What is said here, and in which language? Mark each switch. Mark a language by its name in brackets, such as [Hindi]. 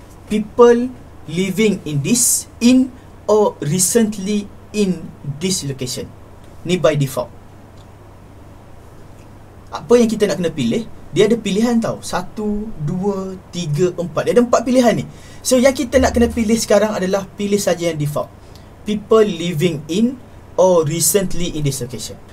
[English] People living in this, in or recently in this location. Ni by default. [Malay] Apa yang kita nak kena pilih? Dia ada pilihan tau. 1, 2, 3, 4. Dia ada 4 pilihan ni. So, yang kita nak kena pilih sekarang adalah pilih saja yang default. [English] People living in or recently in this location.